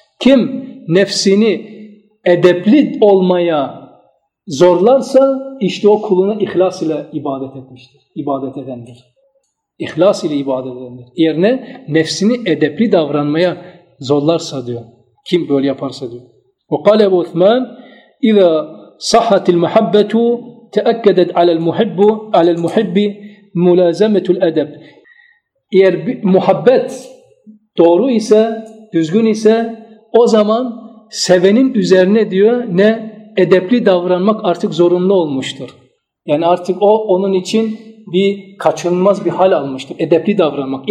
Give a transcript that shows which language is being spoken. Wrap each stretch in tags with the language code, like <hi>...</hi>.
<tr>Kim nefsini edepli olmaya zorlarsa işte o kuluna ihlas ile ibadet etmiştir, ibadet edendir. İhlas ile ibadet edendir. Yerine nefsini edepli davranmaya zorlarsa diyor. Kim böyle yaparsa diyor.</tr> <ar>وقال أبو عثمان إذا صحت المحبة تأكدت على المحب على المحب ملازمة الأدب.</ar> <tr>Eğer muhabbet doğru ise, düzgün ise o zaman sevenin üzerine diyor ne edepli davranmak artık zorunlu olmuştur. Yani artık o onun için bir kaçınılmaz bir hal almıştır. Edepli davranmak.</tr>